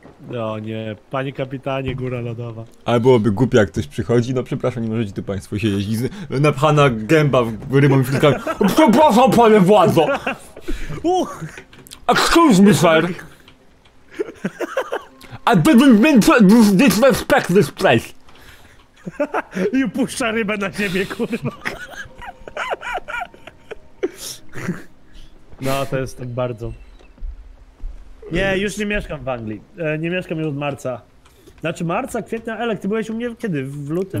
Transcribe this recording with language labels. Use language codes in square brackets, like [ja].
[pl] No nie, panie kapitanie, góra lodowa. Ale byłoby głupie, jak ktoś przychodzi. No przepraszam, nie możecie tu państwo siedzieć. Napchana gęba rybą i frytkami. Przepraszam, panie władzo! [en] Excuse me, sir! I didn't mean to disrespect this place! [pl] I puszcza rybę na ziemię, kurwa. No, to jest tak bardzo... Nie, już nie mieszkam w Anglii. Nie mieszkam już od marca. Znaczy marca, kwietnia, Elek, ty byłeś u mnie kiedy? W lutym?